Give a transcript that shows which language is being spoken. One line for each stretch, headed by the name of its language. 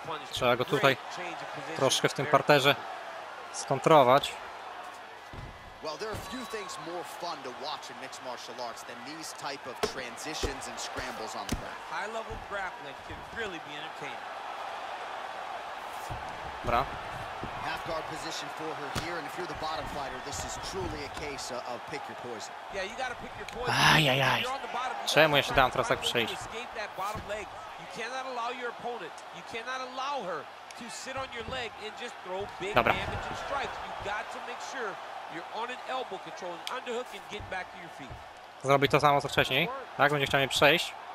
Polish: Trzeba go tutaj troszkę w tym parterze skontrować.
English: Well, there are a few things more fun to watch in mixed martial arts than these type of transitions and scrambles on the ground. High level grappling can really be entertaining. Bra. Half guard position for her here, and if you're the bottom fighter, this is truly a case of pick your poison. Yeah, you gotta pick your poison. Ajajaj.
Polish: Czemu ja się dam teraz tak przejść?
English: Escape that bottom leg. You cannot allow your opponent, you cannot allow her to sit on your leg and just throw big damage and strikes. You got to make sure you're on an elbow control and underhook and get back to your feet.
Polish: Zrobić to samo co wcześniej. Tak, będzie chciał mnie przejść.